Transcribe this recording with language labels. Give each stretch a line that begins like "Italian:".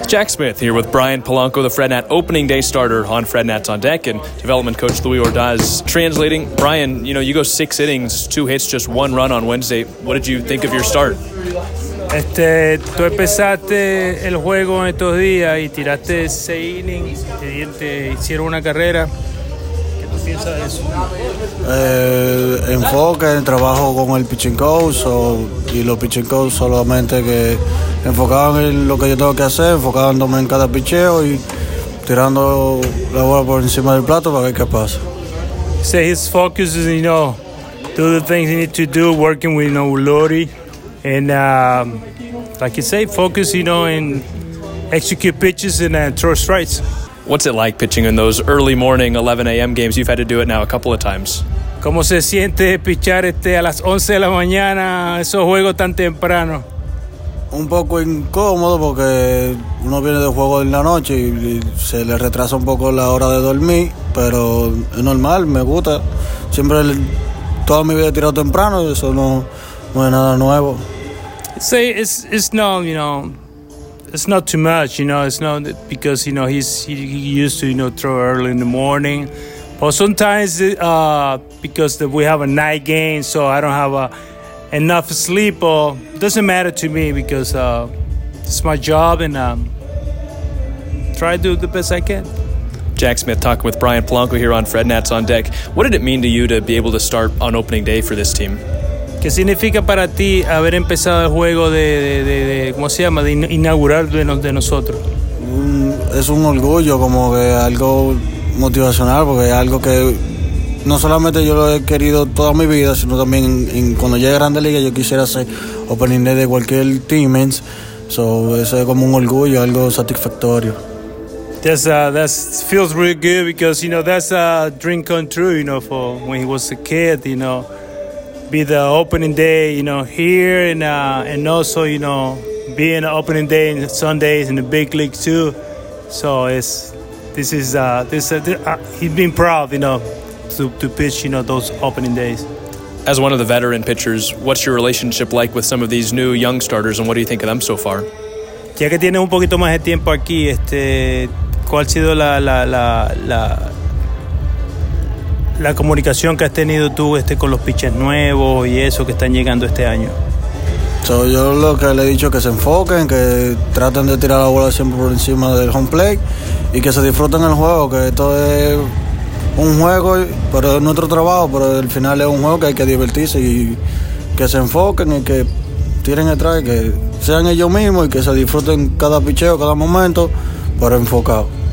English: Jack Smith here with Brian Polanco, the FredNat opening day starter on FredNats on Deck, and development coach Louis Ordaz translating. Brian, you know, you go six innings, two hits, just one run on Wednesday. What did you think of your start?
Spanish: Tú empezaste el juego en estos días y tiraste seis innings, te hicieron una carrera. ¿Qué tú piensas de eso? Enfoque en el trabajo con el pitching coach, y los pitching coach solamente que enfocaban en lo que yo tengo que hacer, enfocándome en cada picheo y tirando la bola por encima del plato para ver qué pasa.
English: So his focus is, you know, do the things you need to do, working with, you know, Lori. And like you say, focus, you know, and execute pitches and throw strikes. What's it like pitching in those early morning 11 a.m. games? You've had to do it now a couple of times.
Spanish: ¿Cómo se siente pichar a las 11 de la mañana esos juegos tan temprano? Un poco incómodo porque uno viene de juego en la noche y se le retrasa un poco la hora de dormir, pero es normal, me gusta. Siempre, toda mi vida he tirado temprano y eso no es nada nuevo.
English: Say it's no, you know, it's not too much, you know, it's not because, you know, he used to, you know, throw early in the morning. But sometimes because we have a night game, so I don't have enough sleep, or doesn't matter to me because it's my job, and try to do the best I can. Jack Smith talking with Brian Polanco here on FredNats on Deck. What did it mean to you to be able to start on opening day for this team?
Spanish: ¿Qué significa para ti haber empezado el juego de ¿cómo se llama?, de inaugurar de nosotros? Es un orgullo, como que algo motivacional, porque es algo que no solamente yo lo he querido toda mi vida, sino también cuando llegue a Grande Liga yo quisiera ser opening day de cualquier team. So, eso es como un orgullo, algo satisfactorio.
English: That feels really good because, you know, that's a dream come true, you know, for when he was a kid, you know. Be the opening day, you know, here and also, you know, being the opening day in Sundays in the big league too. So he's been proud, you know, to pitch, you know, those opening days. As one of the veteran pitchers, what's your relationship like with some of these new young starters, and what do you think of them so far?
Spanish: Ya que tienes un poquito más de tiempo aquí, ¿cuál ha sido la comunicación que has tenido tú con los pitchers nuevos y eso que están llegando este año? So, yo lo que le he dicho es que se enfoquen, que traten de tirar la bola siempre por encima del home plate y que se disfruten el juego, que esto es un juego, pero es nuestro trabajo, pero al final es un juego que hay que divertirse, y que se enfoquen y que tiren el traje, que sean ellos mismos y que se disfruten cada picheo, cada momento, pero enfocado.